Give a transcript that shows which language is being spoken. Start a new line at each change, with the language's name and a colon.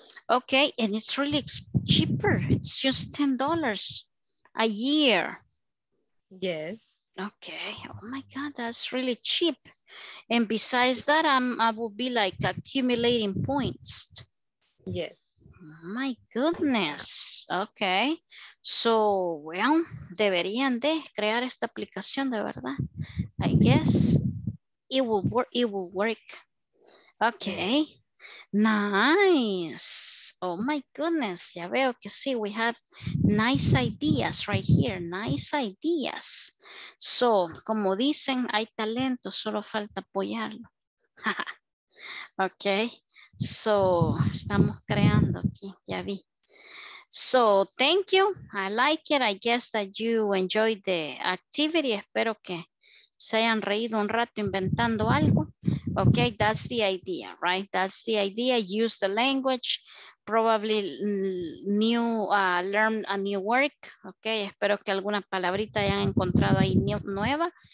English: Okay. And it's really cheaper. It's just $10. A year. Yes. Okay. Oh my God, that's really cheap. And besides that, I will be like accumulating points. Yes. My goodness. Okay.
Spanish: So, well, deberían de crear esta aplicación de verdad.
English: I guess it will work. Okay. Nice. Oh my goodness.
Spanish: Ya veo que sí,
English: we have nice ideas right here. Nice ideas.
Spanish: So, como dicen, hay talento, solo falta apoyarlo. Okay. So, estamos creando aquí, ya vi.
English: So, thank you. I like it. I guess that you enjoyed the activity.
Spanish: Espero que se hayan reído un rato inventando algo.
English: Okay, that's the idea, right? That's the idea. Use the language. Probably learn a new word.
Spanish: Okay, espero que alguna palabrita hayan encontrado ahí nueva.